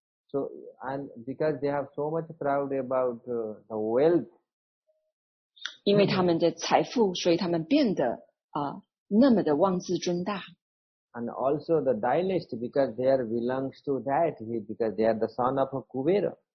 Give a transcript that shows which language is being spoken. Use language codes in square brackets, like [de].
[en] So and because they have so much pride about the wealth, [zh] 因为他们的财富，所以他们变得那么的妄自尊大。 [en] And also the dynasty, because they are belongs to that, because they are the son of a Kubera.